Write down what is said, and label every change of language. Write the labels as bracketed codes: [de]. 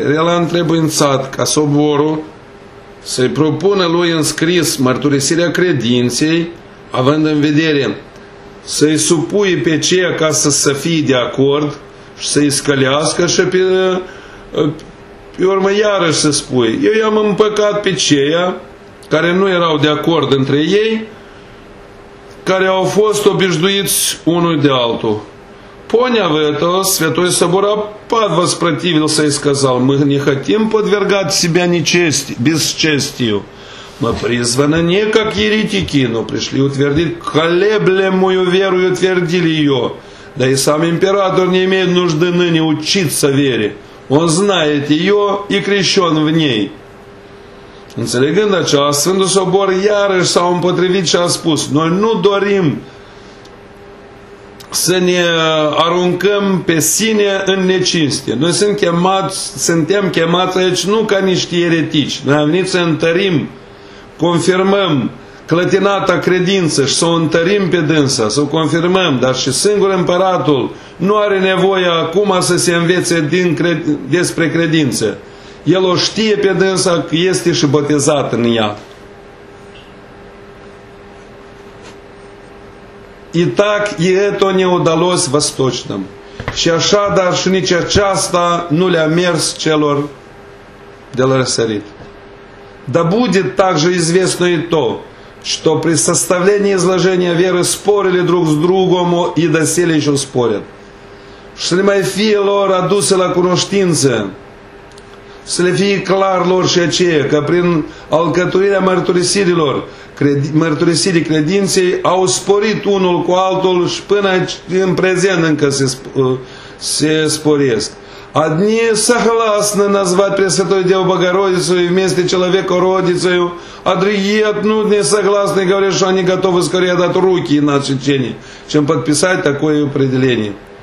[ro] El a întrebuințat ca soborul să-i propună lui în scris mărturisirea credinței, având în vedere să-i supui pe cei ca să fie de acord și să-i scălească și pe urmă, iarăși să spui, eu i-am împăcat pe ceia care nu erau de acord între ei, care au fost obișnuiți unul de altul. [ru] поняв этого, Святой Собор Аппад воспротивился и сказал: «Мы не хотим подвергать себя бесчестию. Мы призваны не как еретики, но пришли утвердить колеблемую веру и утвердили ее. Да и сам император не имеет нужды ныне учиться вере. Он знает ее и крещен в ней». [ro] Înțelegând aceasta, Sfântul Sobor iarăși s-a împotrivit și a spus: «Noi nu dorim să ne aruncăm pe sine în necinstie. Noi suntem chemați aici nu ca niște eretici. Noi am venit să întărim, confirmăm clătinata credință și să o întărim pe dânsa, să o confirmăm. Dar și singur împăratul nu are nevoie acum să se învețe despre credință. El o știe pe dânsa că este și botezat în ea». [ru] И так, и это не удалось восточным. [ro] Și așa, dar și nici aceasta nu le-a mers celor de la răsărit. [ru] Да будет также известно и то, что при составлении изложения веры спорили друг с другом и доселе еще спорят. [ro] Să le mai fie lor aduse la cunoștință, să le fie clar lor și aceea, că prin alcătuirea mărturisirilor, mărturisirii credinței, au sporit unul cu altul și până în prezent încă se sporesc. [ru] Одни согласны назвать Пресвятой Деву Богородицу и вместе человека Родицею, а другие отнюдь не согласны и говорят, что они готовы скорее дать руки на отсечение, чем подписать такое определение.